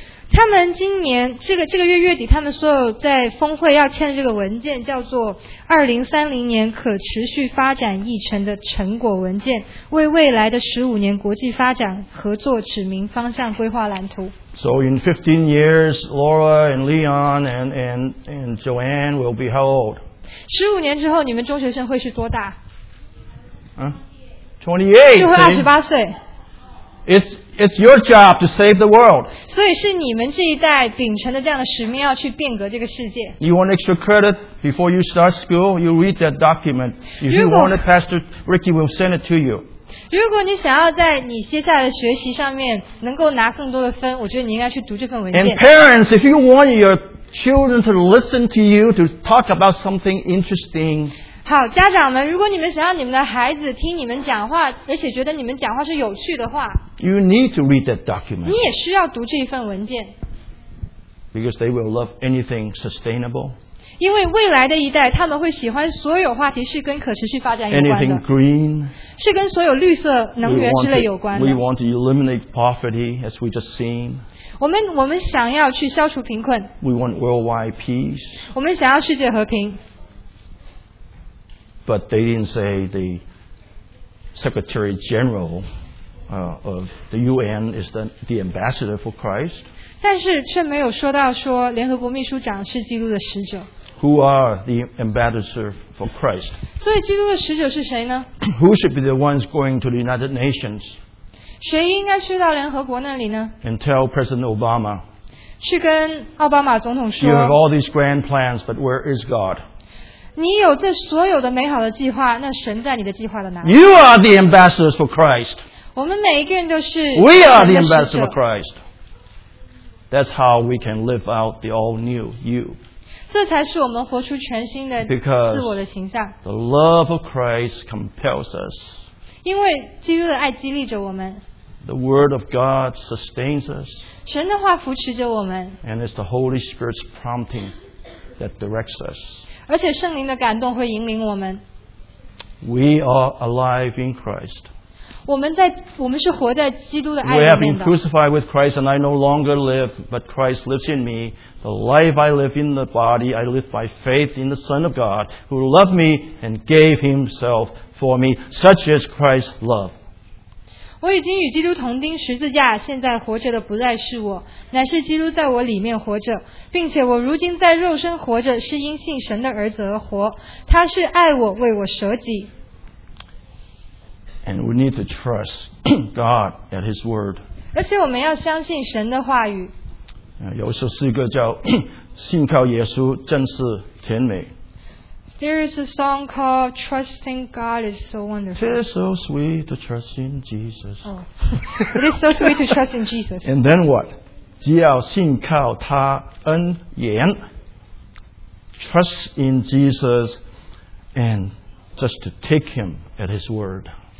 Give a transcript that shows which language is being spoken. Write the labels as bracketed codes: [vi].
[zh] 他们今年这个月月底，他们所有在峰会要签的这个文件叫做2030年可持续发展议程的成果文件，为未来的15年国际发展合作指明方向规划蓝图。 [en] So in 15 years, Laura and Leon and Joanne will be how old? [zh] 15年之后，你们中学生会是多大？嗯 ，28，就会28岁。 [en] It's your job to save the world. [zh] 所以是你们这一代秉承的这样的使命，要去变革这个世界。 [en] You want extra credit before you start school? You read that document. If you want it, Pastor Ricky will send it to you. [zh] 如果你想要在你接下来的学习上面能够拿更多的分，我觉得你应该去读这份文件。 [en] And parents, if you want your children to listen to you to talk about something interesting. [zh] 好，家长们，如果你们想要你们的孩子听你们讲话，而且觉得你们讲话是有趣的话 [en] ，You need to read that document. [zh] 你也需要读这一份文件。 [en] Because they will love anything sustainable. [zh] 因为未来的一代，他们会喜欢所有话题是跟可持续发展有关的。 [en] Anything green. [zh] 是跟所有绿色能源之类有关的。 [en] We want to eliminate poverty, as we just seen. [zh] 我们想要去消除贫困。 [en] We want worldwide peace. [zh] 我们想要世界和平。 [en] But they didn't say the Secretary General of the UN is the ambassador for Christ. [zh] 但是却没有说到说联合国秘书长是基督的使者。 [en] Who are the ambassador for Christ? [zh] 所以基督的使者是谁呢？ [en] Who should be the ones going to the United Nations? [zh] 谁应该去到联合国那里呢？ [en] And tell President Obama. [zh] 去跟奥巴马总统说。 [en] You have all these grand plans, but where is God? [zh] 你有这所有的美好的计划，那神在你的计划的哪里？ [en] You are the ambassadors for Christ. [zh] 我们每一个人都是。 [en] We are the ambassadors for Christ. That's how we can live out the all new you. [zh] 这才是我们活出全新的自我的形象。 [en] Because the love of Christ compels us. [zh] 因为基督的爱激励着我们。 [en] The word of God sustains us. [zh] 神的话扶持着我们。 [en] And it's the Holy Spirit's prompting that directs us. [zh] 而且圣灵的感动会引领我们。 [en] We are alive in Christ. [zh] 我们是活在基督的爱里面的。 [en] We have been crucified with Christ, and I no longer live, but Christ lives in me. The life I live in the body, I live by faith in the Son of God, who loved me and gave Himself for me. Such is Christ's love. [zh] 我已经与基督同钉十字架，现在活着的不再是我，乃是基督在我里面活着。并且我如今在肉身活着，是因信神的儿子而活，他是爱我，为我舍己。 [en] And we need to trust God at His word. [zh] 而且我们要相信神的话语。有一首诗歌叫信靠耶稣正是甜美。 [en] There is a song called Trusting God is so wonderful. It is so sweet to trust in Jesus. It is so sweet to trust in Jesus. And then what? [zh] 只要信靠他恩言 [en] trust in Jesus and just to take him at his word.